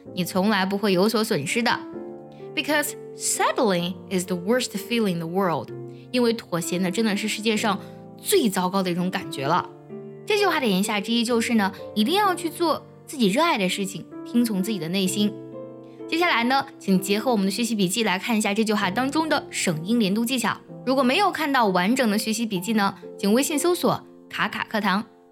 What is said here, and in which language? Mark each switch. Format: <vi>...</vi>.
<zh>你从来不会有所损失的。</zh> <en>Because settling is the worst feeling in the world.</en> <zh>因为妥协呢，真的是世界上最糟糕的一种感觉了。这句话的言下之意就是呢，一定要去做自己热爱的事情，听从自己的内心。接下来呢，请结合我们的学习笔记来看一下这句话当中的省音连读技巧。如果没有看到完整的学习笔记呢，请微信搜索卡卡课堂。</zh>